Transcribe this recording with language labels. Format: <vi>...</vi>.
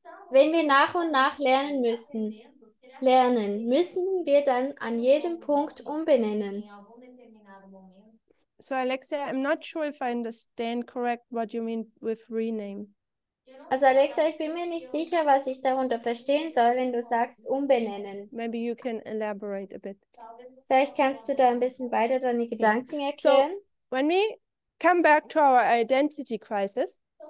<de>Wenn wir nach und nach lernen, müssen wir dann an jedem Punkt umbenennen.</de> <en>So Alexia, I'm not sure if I understand correct what you mean with rename.</en> <de>Also Alexia, ich bin mir nicht sicher, was ich darunter verstehen soll, wenn du sagst umbenennen.</de> <en>Maybe you can elaborate a bit.</en> <de>Vielleicht kannst du da ein bisschen weiter deine Gedanken erklären.</de> <en>So, when we come back to our identity crisis,</en>